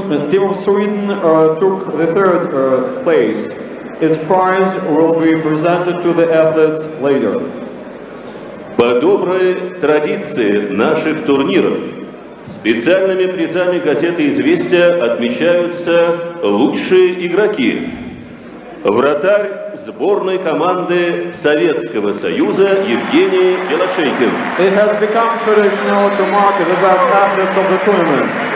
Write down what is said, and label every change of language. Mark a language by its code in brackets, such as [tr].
[en] Team of Sweden took the third place, its prize will be presented to the athletes later. [ru] По доброй традиции наших турниров специальными призами газеты «Известия» отмечаются лучшие игроки. Вратарь сборной команды Советского Союза Евгений Белошейкин. [en] It has become traditional to mark the best athletes of the tournament.